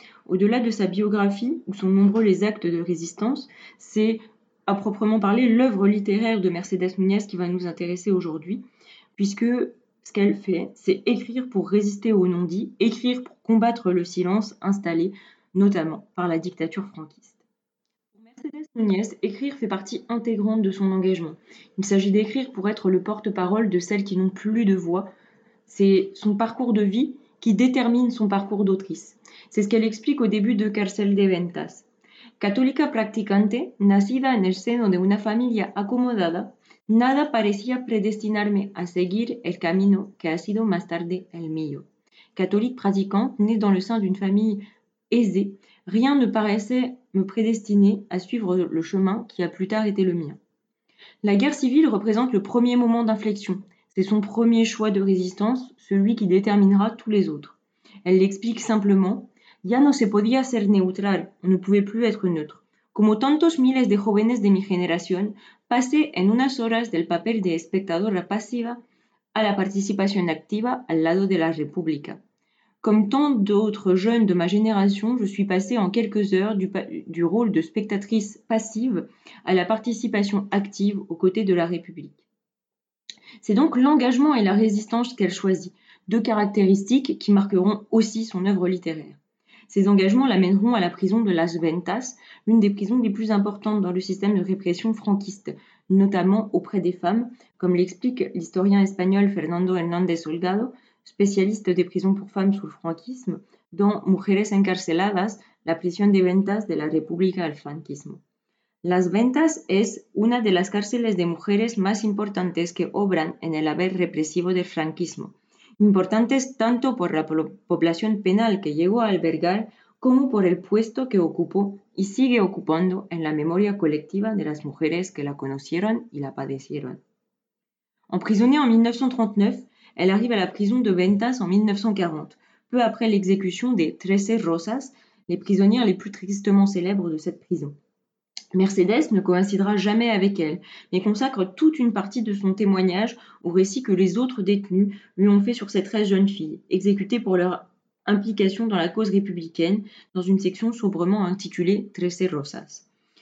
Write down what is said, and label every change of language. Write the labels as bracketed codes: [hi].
[fr] Au-delà de sa biographie, où sont nombreux les actes de résistance, c'est à proprement parler l'œuvre littéraire de Mercedes Núñez qui va nous intéresser aujourd'hui, puisque ce qu'elle fait, c'est écrire pour résister aux non-dits, écrire pour combattre le silence installé, notamment par la dictature franquiste. Pour Mercedes Núñez, écrire fait partie intégrante de son engagement. Il s'agit d'écrire pour être le porte-parole de celles qui n'ont plus de voix. C'est son parcours de vie qui détermine son parcours d'autrice. C'est ce qu'elle explique au début de Cárcel de Ventas. [es] Católica practicante, nacida en el seno de una familia acomodada, nada parecía predestinarme a seguir el camino que ha sido más tarde el mío. [fr] Catholique pratiquante, née dans le sein d'une famille aisée, rien ne paraissait me prédestiner à suivre le chemin qui a plus tard été le mien. La guerre civile représente le premier moment d'inflexion. C'est son premier choix de résistance, celui qui déterminera tous les autres. Elle l'explique simplement. [es] Ya no se podía ser neutral, [fr] on ne pouvait plus être neutre. [es] Como tantos miles de jóvenes de mi generación, pasé en unas horas del papel de espectadora pasiva [fr] à la participation active [es] al lado de la República. [fr] Comme tant d'autres jeunes de ma génération, je suis passée en quelques heures du rôle de spectatrice passive à la participation active aux côtés de la République. C'est donc l'engagement et la résistance qu'elle choisit, deux caractéristiques qui marqueront aussi son œuvre littéraire. Ces engagements l'amèneront à la prison de Las Ventas, l'une des prisons les plus importantes dans le système de répression franquiste, notamment auprès des femmes, comme l'explique l'historien espagnol Fernando Hernández Holgado, spécialiste des prisons pour femmes sous le franquisme, dans Mujeres Encarceladas, la prisión de Ventas de la República al Franquismo. [es] Las Ventas es una de las cárceles de mujeres más importantes que obran en el haber represivo del franquismo, importantes tanto por la población penal que llegó a albergar como por el puesto que ocupó y sigue ocupando en la memoria colectiva de las mujeres que la conocieron y la padecieron. [fr] Emprisonnée en 1939, elle arrive à la prison de Ventas en 1940, peu après l'exécution des 13 Rosas, les prisonnières les plus tristement célèbres de cette prison. Mercedes ne coïncidera jamais avec elle, mais consacre toute une partie de son témoignage au récit que les autres détenus lui ont fait sur ces 13 jeunes filles, exécutées pour leur implication dans la cause républicaine, dans une section sobrement intitulée « 13 Rosas ».